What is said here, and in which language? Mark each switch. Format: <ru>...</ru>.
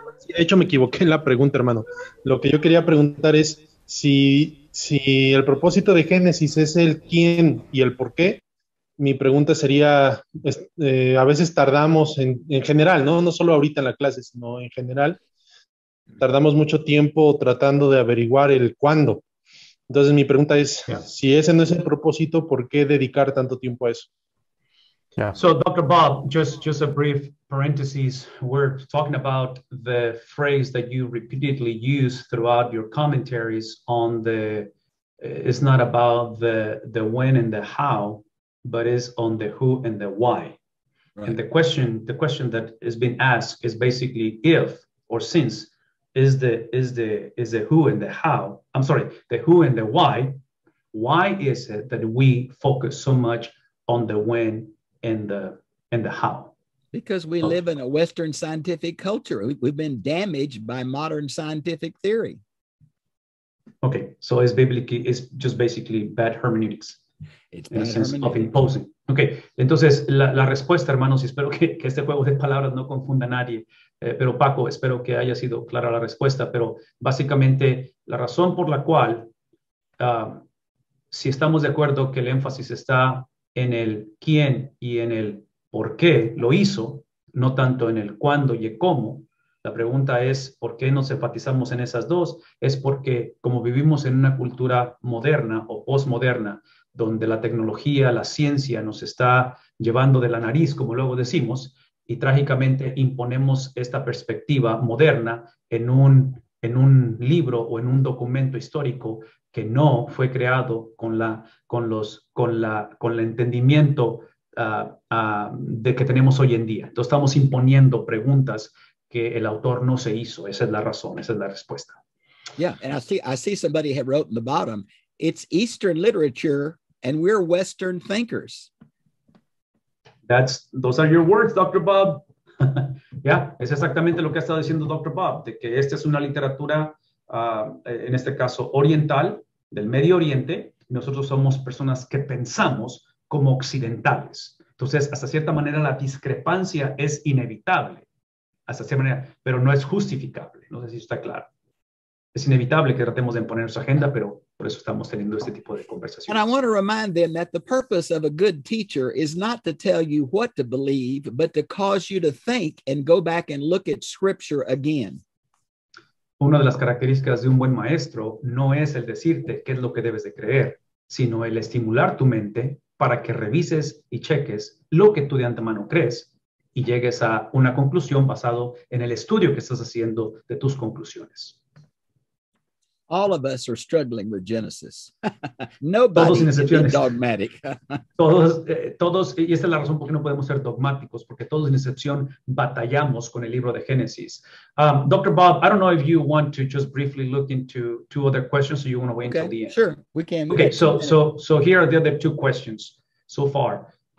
<es>De hecho, me equivoqué en la pregunta, hermano. Lo que yo quería preguntar es si el propósito de Génesis es el quién y el por qué, mi pregunta sería, a veces tardamos en general, ¿no? No solo ahorita en la clase, sino en general, tardamos mucho tiempo tratando de averiguar el cuándo. Entonces, mi pregunta es, si ese no es el propósito, ¿por qué dedicar tanto tiempo a eso?</es> <en>So, Dr. Bob, just a brief parenthesis. We're talking about the phrase that you repeatedly use throughout your commentaries on the, it's not about the when and the how, but is on the who and the why. And the question that is being asked is basically if or since is the who and the how. I'm sorry, the who and the why. Why is it that we focus so much on the when? And the how. Because we live in a Western scientific culture. We've been damaged by modern scientific theory. Okay, so it's biblically, it's just basically bad hermeneutics It's in a bad sense of hermeneutics. imposing.</en> <es>Okay, entonces la respuesta, hermanos, y espero que este juego de palabras no confunda a nadie, pero Paco, espero que haya sido clara la respuesta, pero básicamente la razón por la cual, si estamos de acuerdo que el énfasis está en el quién y en el por qué lo hizo, no tanto en el cuándo y el cómo. La pregunta es, ¿por qué nos enfatizamos en esas dos? Es porque como vivimos en una cultura moderna o posmoderna, donde la tecnología, la ciencia nos está llevando de la nariz, como luego decimos, y trágicamente imponemos esta perspectiva moderna en un libro o en un documento histórico que no fue creado con la con los con la con el entendimiento de que tenemos hoy en día. Entonces estamos imponiendo preguntas que el autor no se hizo. Esa es la razón, esa es la respuesta.</es> <en>Yeah, and I see somebody had wrote in the bottom, it's Eastern literature and we're Western thinkers. Those are your words, Dr. Bob.</en> <es>es exactamente lo que ha estado diciendo Dr. Bob, de que esta es una literatura, en este caso, oriental, del Medio Oriente. Nosotros somos personas que pensamos como occidentales. Entonces, hasta cierta manera, la discrepancia es inevitable, hasta cierta manera, pero no es justificable. No sé si está claro. Es inevitable que tratemos de imponer nuestra agenda, pero por eso estamos teniendo este tipo de conversaciones.</es> <en>And I want to remind them that the purpose of a good teacher is not to tell you what to believe, but to cause you to think and go back and look at scripture again.</en> <es>Una de las características de un buen maestro no es el decirte qué es lo que debes de creer, sino el estimular tu mente para que revises y cheques lo que tú de antemano crees y llegues a una conclusión basado en el estudio que estás haciendo de tus conclusiones.</es> <en>All of us are struggling with Genesis. Nobody is dogmatic.</en> <es>todos, y esta es la razón por qué no podemos ser dogmáticos, porque todos sin excepción batallamos con el libro de Génesis.</es> <en>Dr. Bob, I don't know if you want to just briefly look into two other questions, or you want to wait okay, until the end. Sure, we can. Okay, so here are the other two questions so far.</en>